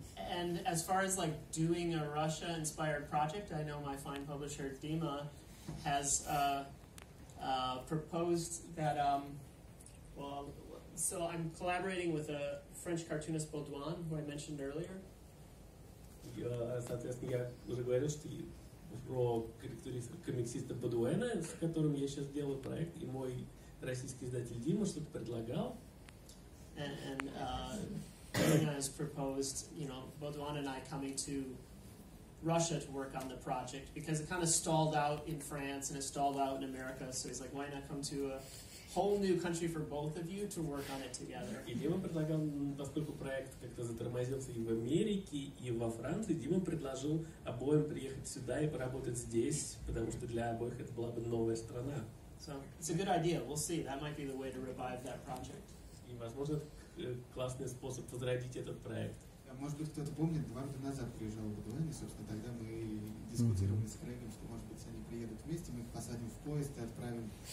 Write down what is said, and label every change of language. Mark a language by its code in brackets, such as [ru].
[en] And as far as like doing a Russia-inspired project, I know my fine publisher Dima has proposed that. So I'm collaborating with a French cartoonist Baudouin, who I mentioned earlier. [ru] Соответственно, я уже говорил, что про комиксиста Бодуэна, с которым я сейчас делаю проект, и мой российский издатель Дима что-то предлагал. [en] And Dima has proposed, you know, Baudouin and I coming to Russia to work on the project because it kind of stalled out in France and it stalled out in America. So he's like, why not come to a whole new country for both of you to work on it together. [ru] И Дима предлагал, поскольку проект как-то затормозился и в Америке, и во Франции, Дима предложил обоим приехать сюда и поработать здесь, потому что для обоих это была бы новая страна. [en] So, it's a good idea. We'll see. That might be the way to revive that project. [ru] И, возможно, классный способ возродить этот проект. Может быть, кто-то помнит, два года назад приезжал в Бодуэн, и, собственно, тогда мы дискутировали с Крейгом, что, может быть, они приедут вместе, мы их посадим в поезд и отправим.